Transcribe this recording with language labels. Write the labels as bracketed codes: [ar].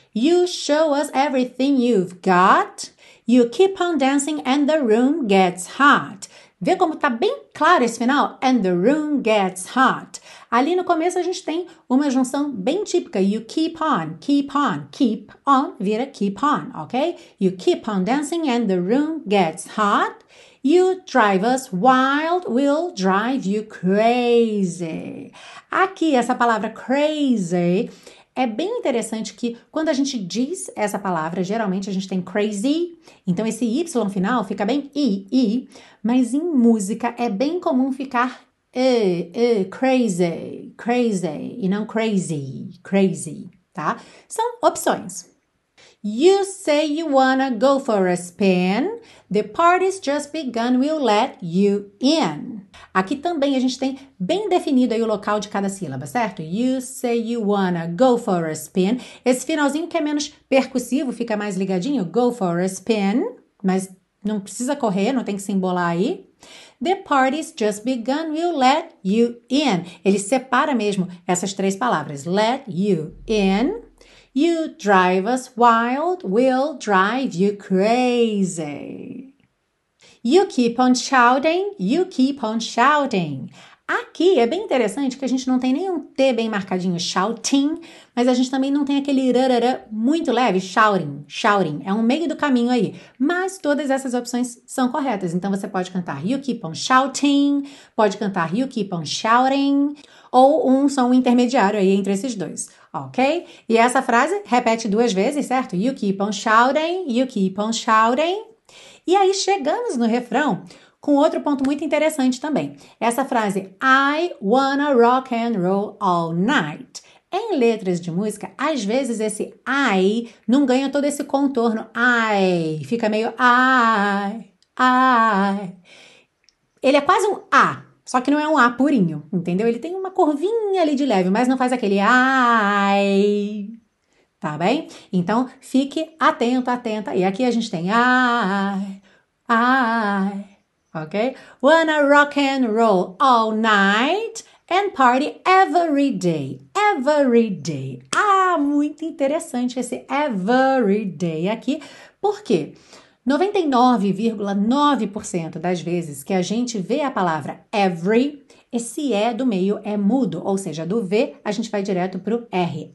[en] You show us everything you've got, you keep on dancing and the room gets hot. [pt] Vê como tá bem claro esse final? [en] And the room gets hot. [pt] Ali no começo a gente tem uma junção bem típica. [en] You keep on, keep on, keep on, [pt] vira [en] keep on, ok? You keep on dancing and the room gets hot. You drive us wild, we'll drive you crazy. [pt] Aqui essa palavra crazy é bem interessante que quando a gente diz essa palavra, geralmente a gente tem crazy, então esse Y final fica bem I, mas em música é bem comum ficar crazy, crazy, e não crazy, crazy, tá? São opções. [en] You say you wanna go for a spin, the party's just begun, we'll let you in. [pt] Aqui também a gente tem bem definido aí o local de cada sílaba, certo? [en] You say you wanna go for a spin. [pt] Esse finalzinho que é menos percussivo, fica mais ligadinho, [en] go for a spin, [pt] mas não precisa correr, não tem que se embolar aí. [en] The party's just begun, we'll let you in. [pt] Ele separa mesmo essas três palavras, [en] let you in. You drive us wild, we'll drive you crazy. You keep on shouting. [pt] Aqui é bem interessante que a gente não tem nenhum T bem marcadinho, shouting, mas a gente também não tem aquele rarara muito leve, shouting, shouting. É um meio do caminho aí. Mas todas essas opções são corretas. Então você pode cantar [en] you keep on shouting, [pt] pode cantar you keep on shouting, ou um som intermediário aí entre esses dois, ok? E essa frase repete duas vezes, certo? [en] You keep on shouting, you keep on shouting. [pt] E aí chegamos no refrão com outro ponto muito interessante também. Essa frase, [en] I wanna rock and roll all night. [pt] Em letras de música, às vezes esse I não ganha todo esse contorno. I, fica meio I, I. Ele é quase um A, só que não é um A purinho, entendeu? Ele tem uma curvinha ali de leve, mas não faz aquele I. Tá bem? Então, fique atento, atenta. E aqui a gente tem I, I. Ok? [en] Wanna rock and roll all night and party every day. Every day. [pt] Ah, muito interessante esse [en] every day [pt] aqui. Por quê? 99,9% das vezes que a gente vê a palavra every, esse E do meio é mudo. Ou seja, do V a gente vai direto pro R.